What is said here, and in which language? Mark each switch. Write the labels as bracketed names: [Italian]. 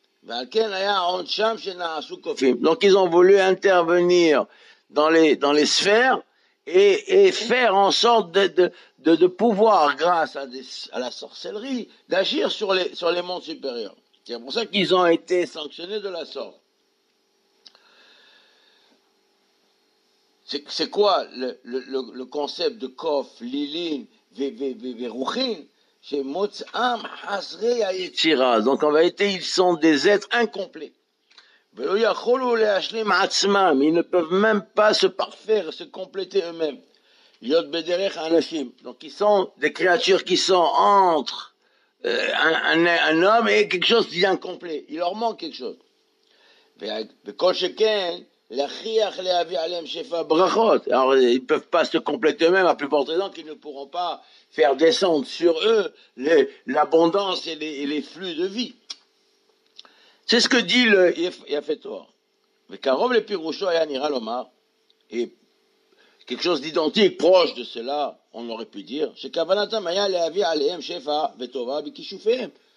[French] Donc ils ont voulu intervenir dans les sphères et faire en sorte de pouvoir, grâce à la sorcellerie, d'agir sur les mondes supérieurs. C'est pour ça qu'ils ont été sanctionnés de la sorte. C'est quoi le concept de Kof, Lilin, [Hebrew] ורוחין שמוצאם חסרי היצירה. זאת אומרת, [French] ils sont des êtres incomplets. [Hebrew] ולא יכולו להשלים עצמם, [French] ils ne peuvent même pas se parfaire, se compléter eux-mêmes. [Hebrew] להיות בדרך אנשים. [French] Donc ils sont des créatures qui sont entre un homme et quelque chose d'incomplet. Il leur manque quelque chose. [Hebrew] וכל שכן, להכריח להביא עליהם שפע ברכות. [French] Alors, ils ne peuvent pas se compléter eux-mêmes, à plus forte raison qu'ils ne pourront pas faire descendre sur eux l'abondance et les flux de vie. C'est ce que dit le Yafetor. Mais Karov le Pirusho et Anira Lomar, et quelque chose d'identique, proche de cela, on aurait pu dire, c'est [Hebrew] Kavanatam Aya Lehavi Alehem Shefa Vetova Bikishufem.